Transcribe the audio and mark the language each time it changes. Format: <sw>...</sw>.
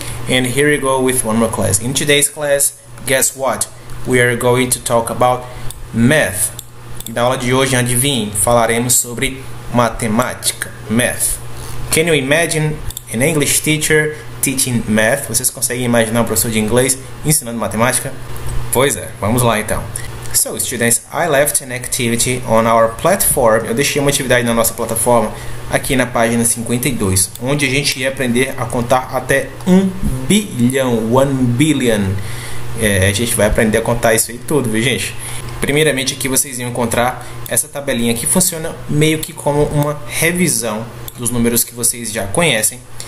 <en>And here we go with one more class. In today's class, guess what? We are going to talk about math.</en> <pt>Na aula de hoje, adivinhe, falaremos sobre matemática, math.</pt> <en>Can you imagine an English teacher teaching math?</en> <pt>Vocês conseguem imaginar um professor de inglês ensinando matemática? Pois é, vamos lá então.</pt> <en>So, students, I left an activity on our platform.</en> <pt>Eu deixei uma atividade na nossa plataforma aqui na página 52, onde a gente ia aprender a contar até 1 bilhão. 1 billion. É, a gente vai aprender a contar isso aí tudo, viu, gente? Primeiramente, aqui vocês iam encontrar essa tabelinha que funciona meio que como uma revisão dos números que vocês já conhecem.</pt>